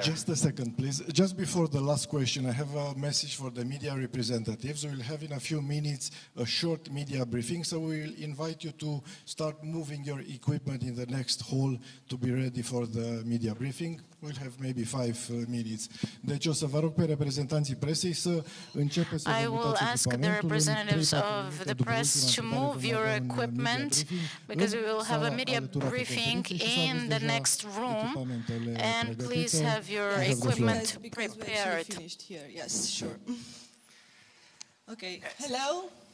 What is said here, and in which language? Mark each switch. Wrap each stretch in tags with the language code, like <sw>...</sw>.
<en>Just a second, please. Just before the last question, I have a message for the media representatives. We'll have in a few minutes a short media briefing, so we'll invite you to start moving your equipment in the next hall to be ready for the media briefing. We'll have maybe 5 minutes.</en> <ro>Deci o să vă rog pe reprezentanții presei să începe să vă mutați echipamentul.</ro> <en>I will ask the representatives of the press to move your equipment because we will have a media briefing in the next room and please have your equipment prepared. Yes, sure. Okay, hello.</en>